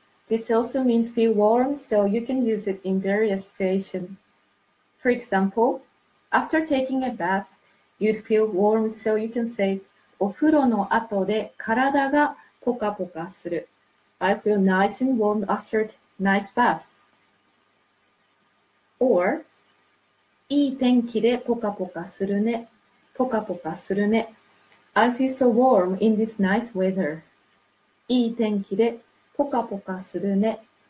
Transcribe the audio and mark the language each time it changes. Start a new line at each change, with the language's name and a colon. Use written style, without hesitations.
English: This also means feel warm, so you can use it in various situations. For example, after taking a bath, you'd feel warm, so you can say,
Japanese: お風呂の後で体がポカポカする。
English: I feel nice and warm after a nice bath.
Japanese: Or, いい天気でポカポカするね。ポカポカするね。
English: I feel so warm in this nice weather.
Japanese: いい天気でポカポカするね。